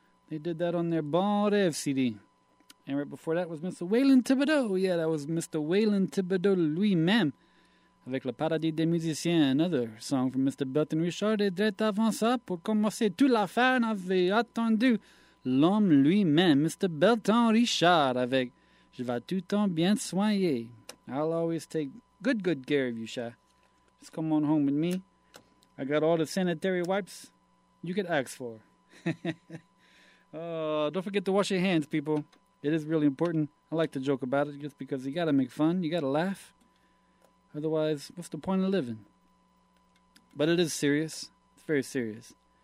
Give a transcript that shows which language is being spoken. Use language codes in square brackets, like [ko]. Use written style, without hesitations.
[en] They did that on their Bon Rêve CD. And right before that was Mr. Waylon Thibodeau. Yeah, that was Mr. Waylon Thibodeau [fr] lui-même avec [en] Le Paradis des Musiciens, another song from Mr. Belton Richard. [fr] Et d'être avant ça, pour commencer toute l'affaire, on avait attendu l'homme lui-même, Mr. Belton Richard, avec Je vais tout en bien soigner. [en] I'll always take good care of you, Sha. Just come on home with me. I got all the sanitary wipes you could ask for. Don't forget to wash your hands, people. It is really important. I like to joke about it just because you got to make fun. You got to laugh. Otherwise, what's the point of living? But it is serious. It's very serious.